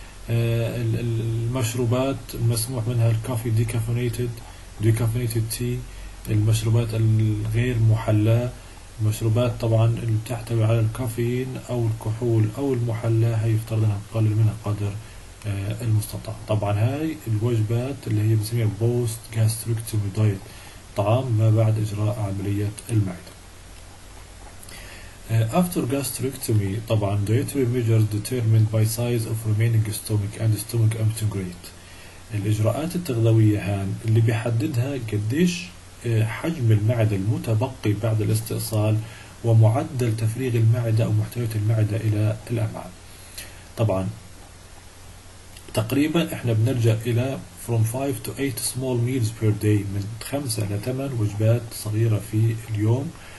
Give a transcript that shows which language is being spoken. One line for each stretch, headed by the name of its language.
Arabic: المشروبات المسموح منها الكافي ديكافينيتد تي المشروبات الغير محلاه، المشروبات طبعا اللي تحتوي على الكافيين او الكحول او المحلاه هي يفترض انها تقلل منها قدر المستطاع. طبعا هاي الوجبات اللي هي بنسميها بوست جاستريكتومي دايت طعام ما بعد اجراء عمليه المعده.
English: After gastrectomy
Arabic: طبعا
English: dietary measures determined by size of remaining stomach and stomach emptying rate.
Arabic: الإجراءات التغذوية هان اللي بيحددها قديش حجم المعدة المتبقي بعد الاستئصال ومعدل تفريغ المعدة أو محتويات المعدة إلى الأمعاء. طبعا تقريبا احنا بنلجأ إلى
English: from 5 to 8 small meals per day
Arabic: من 5 إلى 8 وجبات صغيرة في اليوم.